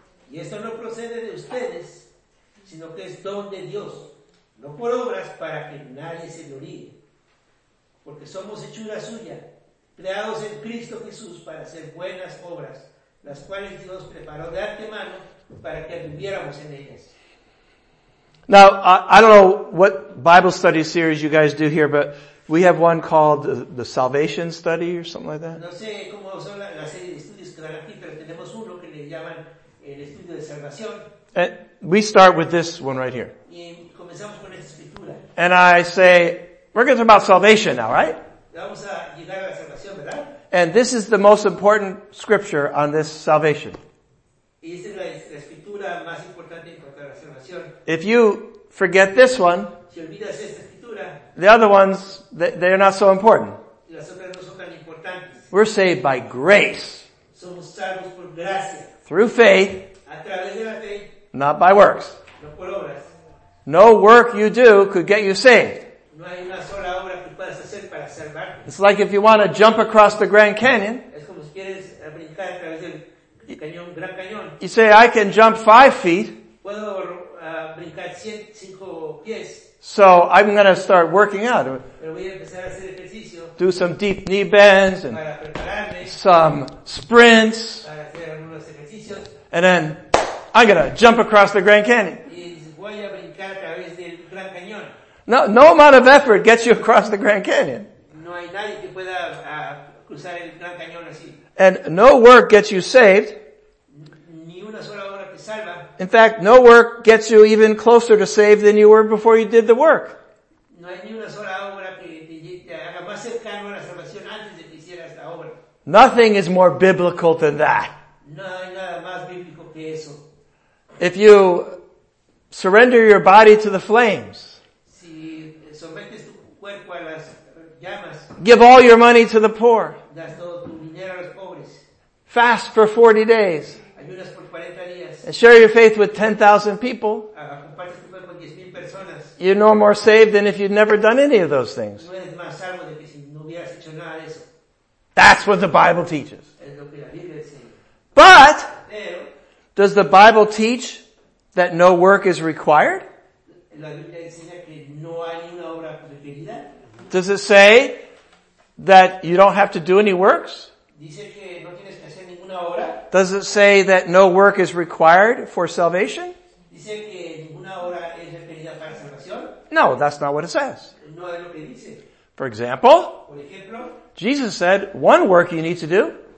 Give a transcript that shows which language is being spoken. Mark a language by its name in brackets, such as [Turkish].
[Spanish] Y esto no procede de ustedes, sino que es don de Dios. No por obras para que nadie se gloríe. Porque somos hechura suya, creados en Cristo Jesús para hacer buenas obras, las cuales Dios preparó de antemano para que anduviéramos en ellas. [English] Now, I don't know what Bible study series you guys do here, but we have one called the Salvation Study or something like that. [Spanish] No sé cómo son la serie de estudios que dan aquí, pero tenemos uno que le llaman el estudio de salvación. [English] And we start with this one right here. [Spanish] Y comenzamos con esta escritura. [English] And I say, we're going to talk about salvation now, right? [Spanish] Vamos a llegar a la salvación, ¿verdad? [English] And this is the most important scripture on this salvation. [Spanish] Y esta es la escritura más importante en cuanto a la salvación. [English] If you forget this one, [Spanish] si olvidas esta escritura, [English] the other ones, they're not so important. [Spanish] Las otras no son tan importantes. [English] We're saved by grace. [Spanish] Somos salvos por gracia. [English] Through faith. [Spanish] A través de la fe. [English] Not by works. [Spanish] No por obras. [English] No work you do could get you saved. [Spanish] No hay una sola obra que puedas hacer para salvarte. [English] It's like if you want to jump across the Grand Canyon. [Spanish] Es como si quieres brincar a través del cañón, Gran Cañón. [English] You say, I can jump 5 feet. [Spanish] Puedo brincar 5 pies. [English] So I'm going to start working out. [Spanish] Pero voy a empezar a hacer ejercicio. [English] Do some deep knee bends and [Spanish] para prepararme. [English] Some sprints. [Spanish] Para hacer algunos ejercicios. [English] And then I'm going to jump across the Grand Canyon. [Spanish] Y voy a brincar a través del Gran Cañón. [English] No amount of effort gets you across the Grand Canyon. [Spanish] No hay nadie que pueda cruzar el Gran Cañón así. [English] And no work gets you saved. [Spanish] Ni una sola obra te salva. [English] In fact, no work gets you even closer to saved than you were before you did the work. [Spanish] No hay ni una sola obra que te haga más cercano a la salvación antes de que hicieras la obra. [English] Nothing is more biblical than that. [Spanish] No hay nada más bíblico que eso. [English] If you surrender your body to the flames, [Spanish] si sometes tu cuerpo a las llamas, [English] give all your money to the poor, [Spanish] das todo tu dinero a los pobres, [English] fast for 40 days, [Spanish] ayunas por 40 días, [English] and share your faith with 10,000 people, [Spanish] compartes tu cuerpo con 10,000 personas, [English] you're no more saved than if you'd never done any of those things. [Spanish] No eres más salvo de que si no hubieras hecho nada de eso. [English] That's what the Bible teaches. [Spanish] Es lo que la Biblia enseña. [English] But, [Spanish] pero, [English] does the Bible teach that no work is required? [Spanish] La Biblia enseña que no hay una obra requerida. [English] Does it say that you don't have to do any works? [Spanish] Dice que no tienes que hacer ninguna obra. [English] Does it say that no work is required for salvation? [Spanish] Dice que ninguna obra es requerida para salvación. [English] No, that's not what it says. [Spanish] No es lo que dice. [English] For example, [Spanish] por ejemplo, [English] Jesus said one work you need to do.